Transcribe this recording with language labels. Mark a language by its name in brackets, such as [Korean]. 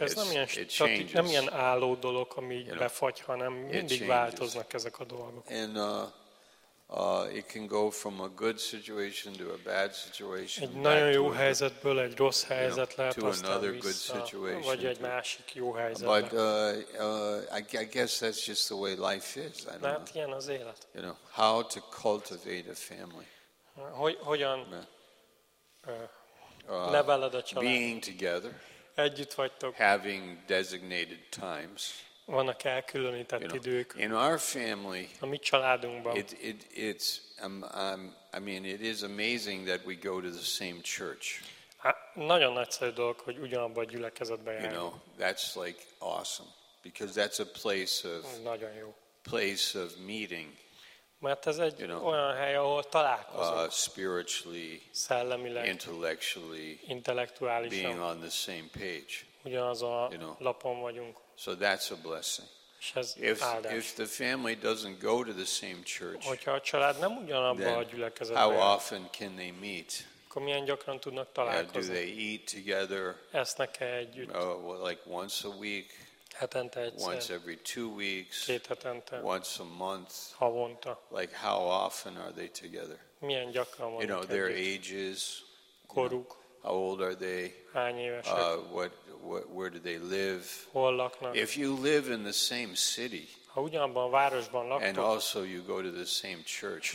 [Hungarian] Ez nem ilyen álló dolog, ami [English] you know, [Hungarian] befagy, hanem mindig változnak ezek a dolgok. [English] And it can go from a good situation to a bad situation. [Hungarian] Egy nagyon jó helyzetből egy rossz helyzet [English] you know, [Hungarian] lehet aztán [English] another [Hungarian] vissza, [English] good situation [Hungarian] vagy egy másik jó helyzetbe. [English] But I guess that's just the way life is. I don't [Hungarian] know. Ilyen az élet. [English] You know, how to cultivate a family. [Hungarian] Hogyan leveled a család? [English] Being together. [Hungarian] Együtt vagytok. [English] Having designated times. [Hungarian] Vannak elkülönített idők. [English] In our family. [Hungarian] A mi családunkban. [English] It's I mean it is amazing that we go to the same church. [Hungarian] Nagyon nagyszerű dolog, hogy ugyanabban a gyülekezetben járunk. [English] You know, that's like awesome, because that's a place of [Hungarian] nagyon jó. [English] Place of meeting. [Hungarian] Mert ez egy olyan hely, ahol találkozunk. [English] Spiritually, [Hungarian] szellemileg, [English] intellectually, [Hungarian] intellektuálisan, [English] being on the same page. [Hungarian] Ugyanaz a lapon vagyunk. [English] So that's a blessing. [Hungarian] És ez áldás. [English] If the family doesn't go to the same church, [Hungarian] hogyha a család nem ugyanabba a gyülekezetbe, [English] how often can they meet? [Hungarian] Akkor milyen gyakran tudnak találkozni? [English] Do they eat together? [Hungarian] Esznek-e együtt? [English] Like once a week? [Hungarian] Hetente egyszer. [English] Once every 2 weeks? [Hungarian] Két hetente. [English] Once a month? [Hungarian] Havonta. [English] Like how often are they together? [Hungarian] Milyen gyakran vannak [English] együtt? Their ages? [Hungarian] Koruk? [English] How old are they? [Hungarian] Hány évesek? [English] Where do they live? [Hungarian] Hol laknak? [English] If you live in the same city, [Hungarian] ha ugyanabban a városban laktok, [English] and also you go to the same church,